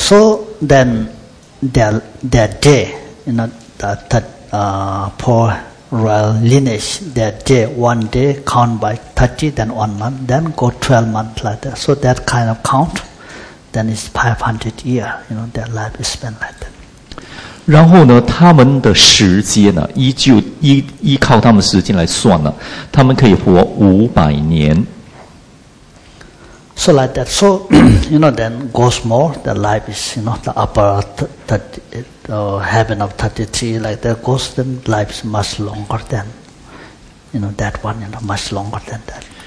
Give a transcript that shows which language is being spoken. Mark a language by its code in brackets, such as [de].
[en] So then their day, you know, poor royal lineage, their day, one day, count by 30, then 1 month, then go 12 months like that. So that kind of count. Then it's 500 years, you know, their life is spent like that. [zh] 然后呢，他们的时间呢，依靠他们时间来算呢，他们可以活500年. [en] So like that. So, you know, then goes more, their life is, you know, the upper heaven of 33, like that goes, then life is much longer than, you know, that one, you know, much longer than that.